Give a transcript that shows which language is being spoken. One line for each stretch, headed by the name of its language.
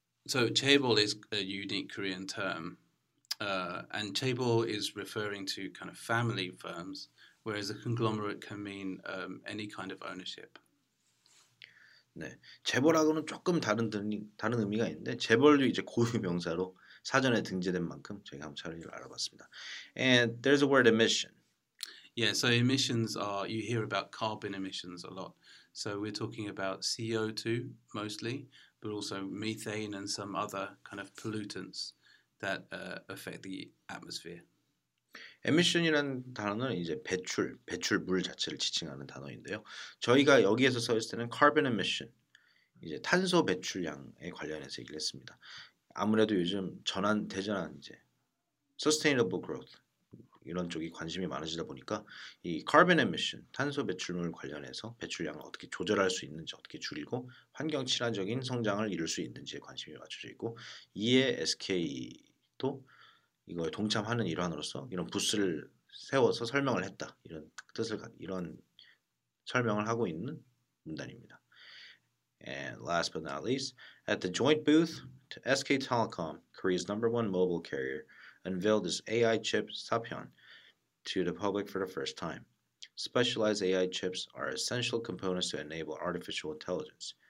English: So chaebol is a unique Korean term. And chaebol is referring to kind of family firms, whereas a conglomerate can mean any kind of ownership.
Korean: 네, 재벌하고는 조금 다른 의미가 있는데 재벌도 이제 고유 명사로 사전에 등재된 만큼 저희가 한번 차례를 알아봤습니다.
English: And there's a word emission. Yeah, so emissions are you hear about carbon emissions a lot. So we're talking about CO2 mostly, but also methane and some other kind of pollutants that affect the atmosphere.
Korean: Emission이라는 단어는 이제 배출물 자체를 지칭하는 단어인데요. 저희가 여기에서 써 있을 때는 carbon emission, 이제 탄소 배출량에 관련해서 얘기를 했습니다. 아무래도 요즘 대전환 이제 sustainable growth 이런 쪽이 관심이 많아지다 보니까 이 carbon emission, 탄소 배출물 관련해서 배출량을 어떻게 조절할 수 있는지, 어떻게 줄이고 환경 친화적인 성장을 이룰 수 있는지에 관심이 맞춰져 있고 이에 SK도 이거에 동참하는 일환으로서 이런 부스를 세워서 설명을 했다. 이런 뜻을 이런 설명을 하고 있는 문단입니다.
English: And last but not least, at the joint booth, SK Telecom, Korea's number one mobile carrier, unveiled its AI chip Sapyeon to the public for the first time. Specialized AI chips are essential components to enable artificial intelligence.